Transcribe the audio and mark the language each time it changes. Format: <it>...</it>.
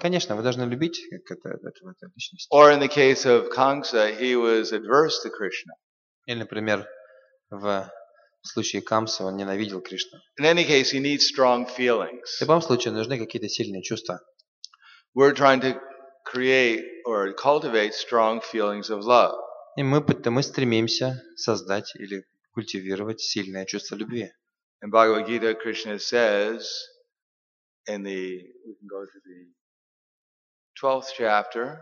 <ru>Конечно, вы должны любить эту личность.</ru> <en>Or in the case of Kamsa, he was adverse to Krishna.</en> <ru>Или, например, в случае Камса он ненавидел Кришну.</ru> <en>In any case, he needs strong feelings.</en> <ru>В любом случае нужны какие-то сильные чувства.</ru> <en>We're trying to create or cultivate strong feelings of love.</en> <ru>И мы стремимся создать или культивировать сильное чувство любви.</ru> <en>In Bhagavad Gita, Krishna says. In the we can go to the 12th chapter.</en>